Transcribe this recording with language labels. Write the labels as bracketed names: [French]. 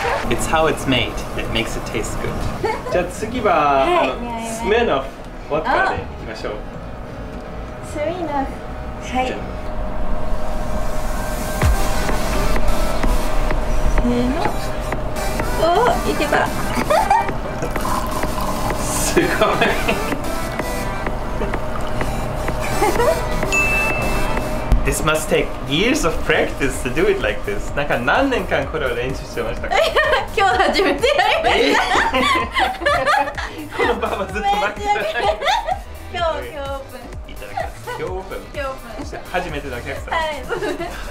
[English] It's how it's made that makes it taste good. [Japanese] じゃあ次は、スミノフウォッカでいきましょう。スミノフ。はい。せーの、おー、いけた。すごい。 [English] This must take years of practice to do it like this. [Japanese] なんか何年間これを練習してましたか。今日初めてやりました。このバーはずっと待ってください。今日、今日オープン。いただきます。今日オープン。今日オープン。初めてのお客さん。はい、そうですね。